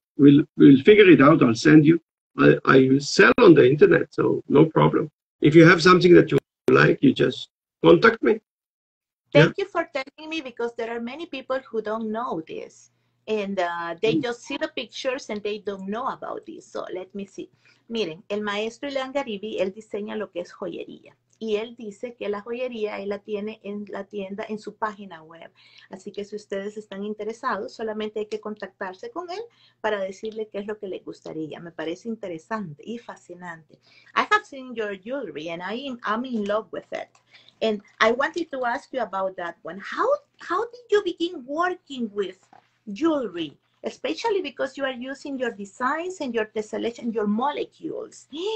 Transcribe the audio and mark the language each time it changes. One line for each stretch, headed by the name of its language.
English: We'll figure it out. I'll send you. I sell on the internet, so no problem. If you have something that you like, you just contact me. Thank you for telling me, because there are many people who don't know this. And they just see the pictures and they don't know about this. So let me see.
Spanish: Miren, el maestro Ilan Garibi, él diseña lo que es joyería. Y él dice que la joyería él la tiene en la tienda, en su página web. Así que si ustedes están interesados, solamente hay que contactarse con él para decirle qué es lo que le gustaría. Me parece interesante y fascinante.
English: I have seen your jewelry and I'm in love with it. And I wanted to ask you about that one. How did you begin working with jewelry? Especially because you are using your designs and your tessellation, your molecules.